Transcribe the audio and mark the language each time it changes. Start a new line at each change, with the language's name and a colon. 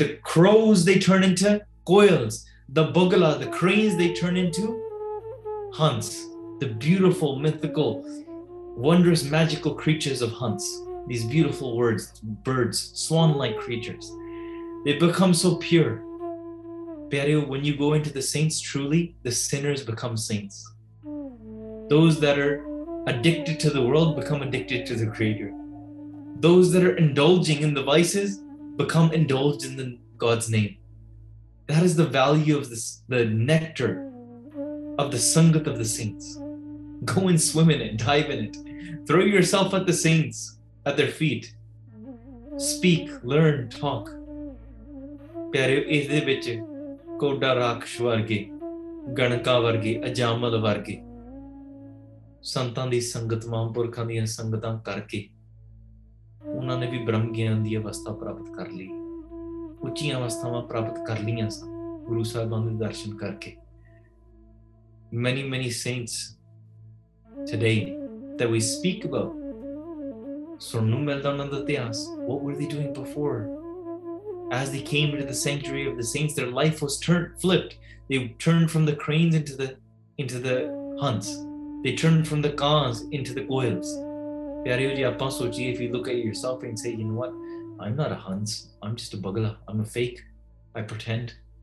English: ਦ cross ਦੇ turn in to ਕੋਇਲਸ, ਦ ਬਗਲਾ, ਦ ਕ੍ਰੇਨਸ ਦੇ turn in to Hans, the beautiful ਮਿਥਿਕਲ wonders magical ਕ੍ਰੀਚਰਸ of Hans, ਦੀਸ beautiful words, birds, ਸਵਾਨ like ਕ੍ਰੀਚਰਸ, they become so pure. Pyareo, when you go into the saints truly, the sinners become saints. Those that are addicted to the world become addicted to the creator. Those that are indulging in the vices become indulged in the God's name. That is the value of this, the nectar of the sangat of the saints. Go and swim in it, dive in it. Throw yourself at the saints, at their feet. Speak, learn, talk.
Punjabi: ਪਿਆਰੇ, ਇਹਦੇ ਵਿੱਚ ਕੋਡਾ ਰਾਕਸ਼ ਵਰਗੇ, ਗਣਕਾ ਵਰਗੇ, ਅਜਾਮਲ ਵਰਗੇ ਸੰਤਾਂ ਦੀ ਸੰਗਤ, ਮਹਾਂਪੁਰਖਾਂ ਦੀਆਂ ਸੰਗਤਾਂ ਕਰਕੇ ਉਹਨਾਂ ਨੇ ਵੀ ਬ੍ਰਹਮ ਗਿਆਨ ਦੀ ਅਵਸਥਾ ਪ੍ਰਾਪਤ ਕਰ ਲਈ, ਉੱਚੀਆਂ ਅਵਸਥਾਵਾਂ ਪ੍ਰਾਪਤ ਕਰ ਲਈਆਂ ਸਨ ਗੁਰੂ ਸਾਹਿਬਾਂ ਦੇ ਦਰਸ਼ਨ ਕਰਕੇ।
English: many many saints today that we speak about,
Punjabi: ਸੁਣਨ ਨੂੰ ਮਿਲਦਾ ਉਹਨਾਂ ਦਾ ਇਤਿਹਾਸ,
English: What were they doing before. As they came into the sanctuary of the saints, their life was turned, flipped. They turned from the cranes into the hunts. They turned from the kaans into the quails. Pyareo ji,
Hindi: aap sochiye,
English: if you look at yourself and say, you know what, I'm not a hans, I'm just a bagla, I'm a fake, I pretend.